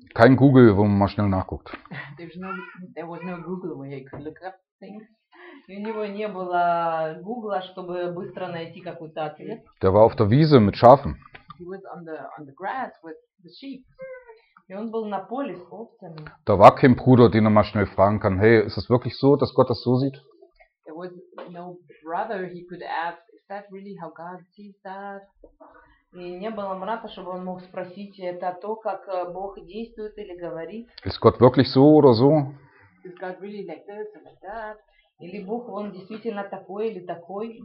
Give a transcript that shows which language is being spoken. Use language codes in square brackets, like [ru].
[de] Kein Google, wo man mal schnell nachguckt. [en] There was no Google where you could look up [ru] И у него не было Гугла, чтобы быстро найти какой-то ответ. [de] Der war auf der Wiese mit Schafen. [en] He was on the grass with the sheep. [ru] И он был на поле с овцами. [de] Da war kein Bruder, den er mal schnell fragen kann. Hey, ist es wirklich so, dass Gott das so sieht? [en] There was no brother he could ask. Is that really how God sees that? [ru] И не было брата, чтобы он мог спросить, это то, как Бог действует или говорит? [de] Ist Gott wirklich so oder so? [en] Is God really like this or like that? [ru] Или Бог, он действительно такой или такой?